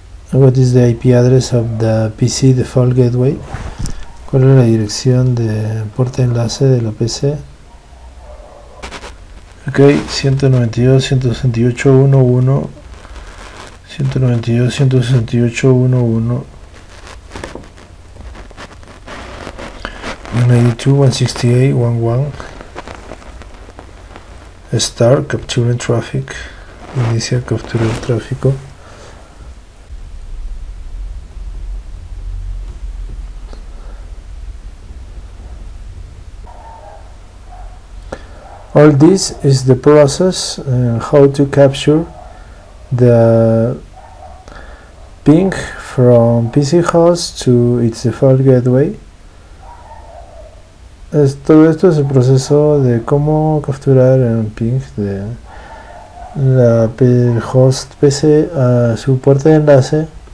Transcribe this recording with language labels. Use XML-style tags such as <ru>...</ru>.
<en>What is the IP address of the PC default gateway?</en> <es>¿Cuál es la dirección de puerta de enlace de la PC?</es> <en>Ok, 192.168.1.1 192.168.1.1 192.168.1.1. Start capturing traffic.</en> <es>Inicia captura el tráfico.</es> <en>All this is the process how to capture the ping from PC host to its default gateway.</en> <es>Todo esto es el proceso de cómo capturar el ping de la host PC a su puerta de enlace.</es>